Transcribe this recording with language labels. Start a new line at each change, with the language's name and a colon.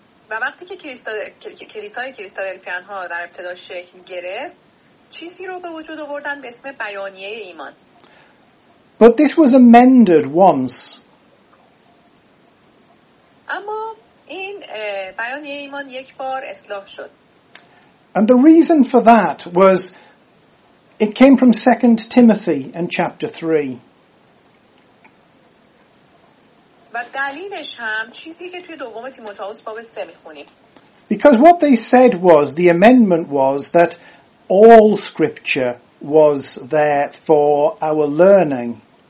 Persian: و وقتی که کلیسای کریستادلفیان ها در ابتدا شکل گرفت، چیزی رو به وجود آوردن به اسم بیانیه ایمان.
English: But this was amended once.
Persian: اما این بیانیه ایمان یک بار اصلاح شد.
English: And the reason for that was it came from 2 Timothy and chapter 3.
Persian: و دلیلش هم چیزی که توی دوم تیموتائوس باب 3 می‌خونیم.
English: Because what they said was, the amendment was that all scripture was there for our learning.